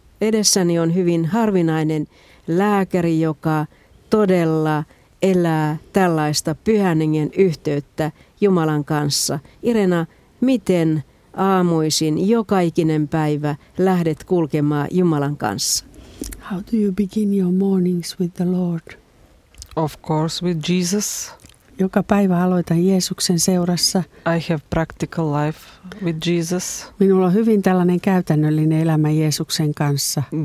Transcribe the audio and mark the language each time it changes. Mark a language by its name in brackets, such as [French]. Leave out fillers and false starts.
[Finnish] Edessäni on hyvin harvinainen lääkäri, joka todella elää tällaista Pyhän Hengen yhteyttä Jumalan kanssa. Irena, miten aamuisin joka ikinen päivä lähdet kulkemaan Jumalan kanssa? [English] How do you begin your mornings with the Lord? Of course with Jesus. [Finnish] Joka päivä aloitan Jeesuksen seurassa. [English] I have practical life with Jesus. [Finnish] Minulla on hyvin tällainen käytännöllinen elämä Jeesuksen kanssa.